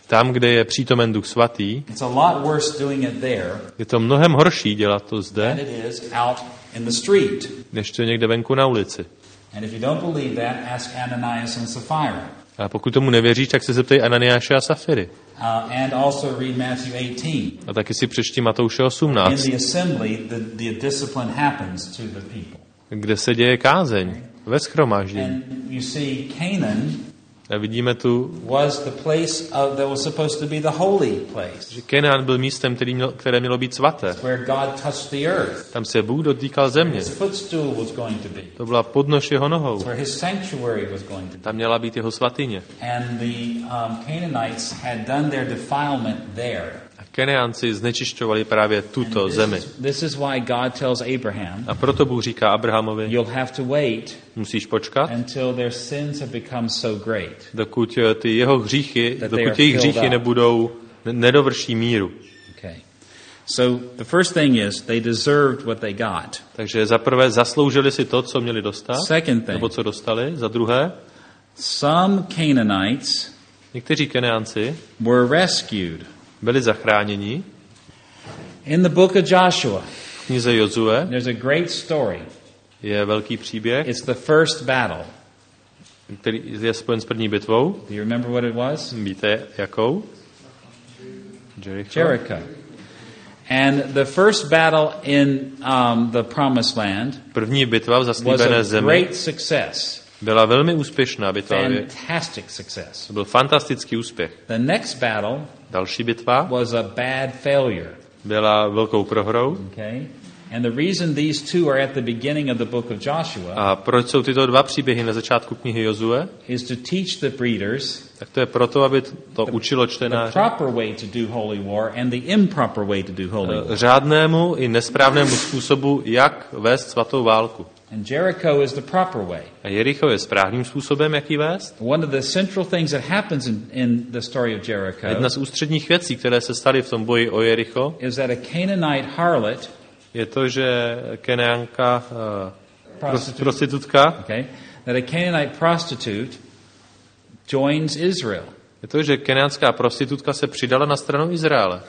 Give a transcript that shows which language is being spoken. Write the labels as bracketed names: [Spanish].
[Czech] tam, kde je přítomen Duch Svatý, [English] it's a lot worse doing it there, [Czech] je to mnohem horší dělat to zde, [English] than it is out in the street, [Czech] než to někde venku na ulici. [English] And if you don't believe that, ask Ananias and Sapphira. [Czech] A pokud tomu nevěříš, tak se zeptej Ananiáše a Safiry. [English] And also read Matthew 18. [Czech] A taky si přečti Matouše 18. [English] In the assembly, the discipline happens to the people. [Czech] Kde se děje kázeň ve shromáždění. [English] And you see Canaan. [Czech] A vidíme tu, [English] was the place of, that was supposed to be the holy place. [Czech] Že Kenan byl místem, které mělo být svaté. [English] Where God touched the earth. [Czech] Tam se Bůh dotýkal země. [English] His footstool was going to be. [Czech] To byla podnož jeho nohou. [English] Where his sanctuary was going to be. [Czech] Tam měla být jeho svatyně. [English] And the Canaanites had done their defilement there. [Czech] Kenianci znečišťovali právě tuto zemi. [English] This is why God tells Abraham, [Czech] a proto Bůh říká Abrahamovi, [English] you'll have to wait, [Czech] musíš počkat, [English] until their sins have become so great, [Czech] dokud ty jeho hříchy, dokud jejich hříchy nebudou nedovrší míru. [English] Okay. So the first thing is they deserved what they got. [Czech] Takže za prvé zasloužili si to, co měli dostat. [English] Second thing, [Czech] nebo co dostali. Za druhé, [English] some Canaanites, [Czech] někteří Kenianci, [English] were rescued. [Czech] Byli zachráněni. [English] In the book of Joshua, [Czech] v knize Josué, [English] there's a great story. [Czech] Je velký příběh. [English] It's the first battle. [Czech] Který je spojen s první bitvou. [English] Do you remember what it was? [Czech] Víte jakou? [English] Jericho. And the first battle in the Promised Land. [Czech] První bitva v zaslíbené zemi. [English] Was a great success. [Czech] Byla velmi úspěšná bitva. [English] Fantastic success. [Czech] To byl fantastický úspěch. [English] The next battle. [Czech] Další bitva [English] was a bad failure. [Czech] Byla velkou prohrou. [English] Okay. And the reason these two are at the beginning of the book of Joshua. [Czech] A proč jsou tyto dva příběhy na začátku knihy Josué? [English] Is to teach the readers. [Czech] Tak to je proto, aby to učilo čtenáře. [English] The proper way to do holy war and the improper way to do holy war. [Czech] Řádnému i nesprávnému způsobu, jak vést svatou válku. [English] And Jericho is the proper way. [Czech] A Jericho je správným způsobem, jak ji vést. [English] One of the central things that happens in the story of Jericho. [Czech] Jedna z ústředních věcí, které se staly v tom boji o Jericho. [English] Is that a Canaanite harlot? [Czech] Je to, že Kenianka prostitutka. [English] Okay. That a Canaanite prostitute joins Israel. [Czech] Je to, že kenianská prostitutka se přidala na stranu Izraele.